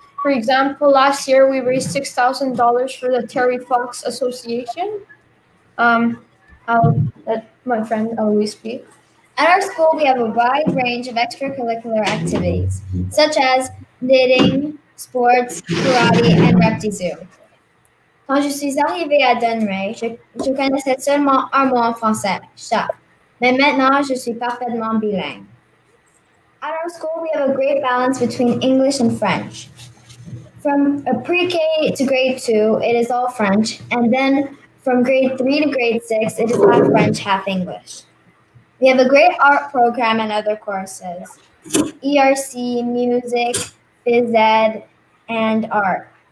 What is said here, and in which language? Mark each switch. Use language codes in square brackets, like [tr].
[en] For example, last year we raised $6,000 for the Terry Fox Association. I'll let my friend Eloise speak. At our school, we have a wide range of extracurricular activities, such as knitting, sports, karate, and Repti Zoo. [fr] Quand je suis arrivée à Dunrae, je connaissais seulement un mot en français, chat. Mais maintenant, je suis parfaitement bilingue. [en] At our school, we have a great balance between English and French. From a pre-K to grade 2, it is all French. And then from grade 3 to grade 6, it is half French, half English. We have a great art program and other courses. ERC, music, phys ed, and art.